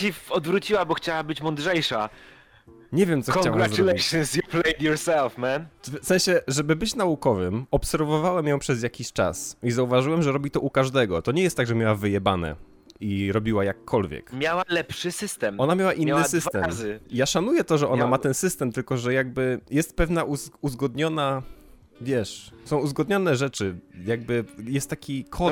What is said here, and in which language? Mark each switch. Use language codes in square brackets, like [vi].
[pl] Odwróciła, bo chciała być mądrzejsza. Nie wiem, co chciałem zrobić. [en] Congratulations, you played yourself, man. [pl] W sensie, żeby być naukowym, obserwowałem ją przez jakiś czas i zauważyłem, że robi to u każdego. To nie jest tak, że miała wyjebane i robiła jakkolwiek. Miała lepszy system. Ona miała inny miała system. Dwa razy. Ja szanuję to, że ona ma ten system, tylko że jakby jest pewna uzgodniona, wiesz, są uzgodnione rzeczy, jakby jest taki kod.